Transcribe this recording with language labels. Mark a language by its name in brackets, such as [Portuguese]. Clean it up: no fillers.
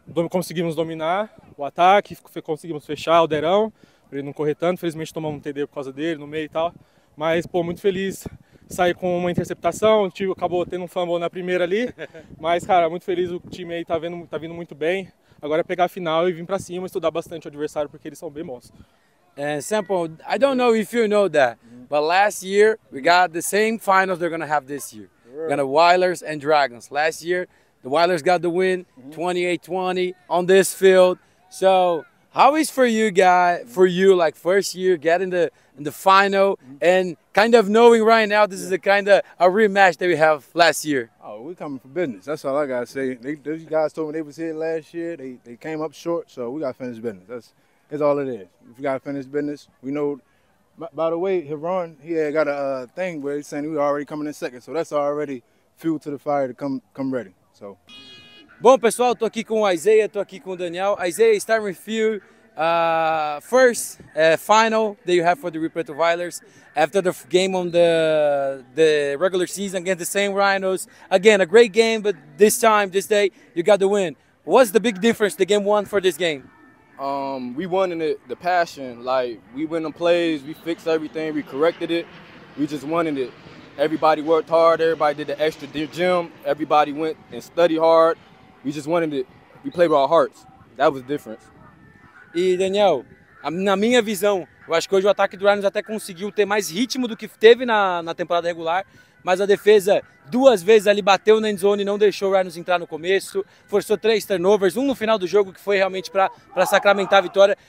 [Portuguese] Conseguimos dominar o ataque, conseguimos fechar o Derão, para ele não correr tanto. Felizmente tomamos um TD por causa dele no meio e tal. Mas, pô, muito feliz. Saí com uma interceptação, tipo, acabou tendo um fumble na primeira ali. Mas, cara, muito feliz. O time aí tá vindo muito bem. Agora é pegar a final e vir para cima, estudar bastante o adversário, porque eles são bem bons. [English] Sample, I don't know if you know that, but last year we got the same finals they're gonna have this year. We're gonna Wilders and Dragons. Last year, the Wilders got the win 28-20 on this field. So, how is for you guys, for you, like first year getting in the final and kind of knowing right now this is a kind of a rematch that we have last year? Oh, we're coming for business. That's all I gotta say. Those guys told me they was here last year. They came up short, so we gotta finish business. That's all it is. If we gotta finish business, we know. By the way, Heron, he had got a thing where he's saying we're already coming in second, so that's already fuel to the fire to come ready. So. [Portuguese] Bom, pessoal, estou aqui com o Isaiah, estou aqui com o Daniel. [English] Isaiah, starting with you, first final that you have for the Rio Preto Wilders after the game on the regular season against the same Rhinos. Again, a great game, but this time, this day, you got the win. What's the big difference the game won for this game? We wanted it, the passion. Like, we went on plays, we fixed everything, we corrected it. We just wanted it. Everybody worked hard, everybody did the extra gym, everybody went and studied hard. We just wanted it. We played with our hearts. That was the difference. [Portuguese] E Daniel, na minha visão, eu acho que hoje o ataque do Rhinos até conseguiu ter mais ritmo do que teve na temporada regular, mas a defesa duas vezes ali bateu na endzone e não deixou o Rhinos entrar no começo, forçou três turnovers, um no final do jogo que foi realmente para sacramentar a vitória.